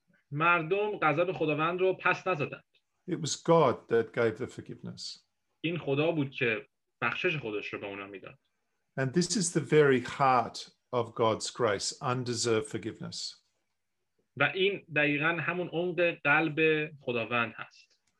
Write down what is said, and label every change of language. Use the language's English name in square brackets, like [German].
[Persian] مردم غضب خداوند رو پس نزدند. [English] It was God that gave the forgiveness. [Persian] این خدا بود که بخشش خودش رو به اونا میداد. [English] And this is the very heart of God's grace, undeserved forgiveness. [Persian] و این دقیقا همون عمق قلب خداوند هست.